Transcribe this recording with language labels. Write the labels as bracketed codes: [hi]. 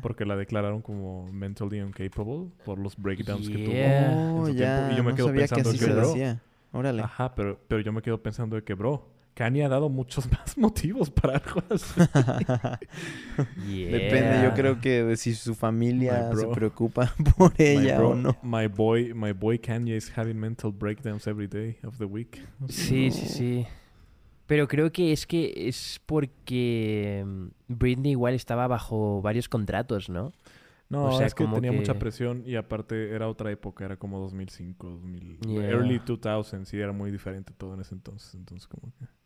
[es] Porque la declararon como [en] mentally incapable [es] por los breakdowns que tuvo. Oh, ya. Y yo me quedo pensando que bro. Órale. Ajá, pero yo me quedo pensando de que bro, Kanye ha dado muchos más motivos para algo así. Yeah. Depende, yo creo que de si su familia se preocupa por ella o no. [en] My boy Kanye is having mental breakdowns every day of the week. [es] Sí, no. Sí, sí. Pero creo que es porque Britney igual estaba bajo varios contratos, ¿no? No, o sea, es que tenía mucha presión y aparte era otra época, era como 2005, 2000, yeah. [en] Early 2000s, [es] sí, era muy diferente todo en ese entonces, como que...